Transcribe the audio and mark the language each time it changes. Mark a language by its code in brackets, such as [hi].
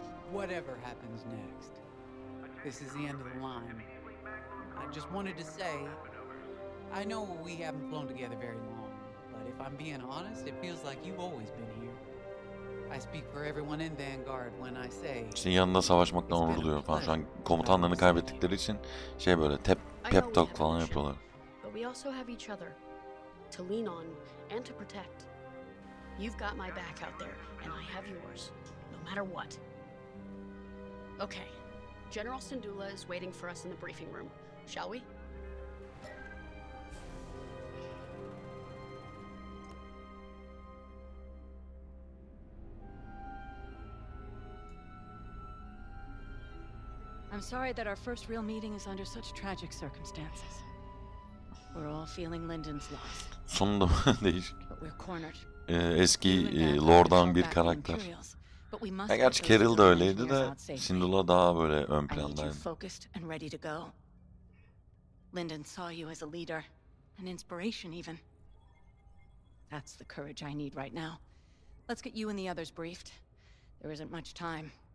[en] whatever happens next, this is the end of the line. I just wanted to say, I know we haven't flown together very long. If I'm being honest, it feels like you've always been here. I speak for everyone in Vanguard when I say. [tr] Senin yanında savaşmaktan onur duyuyorum falan. Şu an komutanlarını kaybettikleri için şey böyle pep talk falan yapıyorlar. [en] But we also have each other to lean on and to protect. You've got my back out there and I have yours, no matter what. Okay. General Syndulla is waiting for us in the briefing room. Shall we? I'm sorry that our first real meeting is under such tragic circumstances. We're all feeling Lyndon's loss. [tr] Sonunda değişik. [en] But we're cornered. [tr] Eski Lord'dan bir karakter. Ya gerçi Carol da öyleydi de, Syndulla daha böyle ön plandaydı. [en] I need you focused and ready to go. Lyndon saw you as a leader, an inspiration even. That's the courage I need right now. Let's get you and the others briefed. There isn't much time.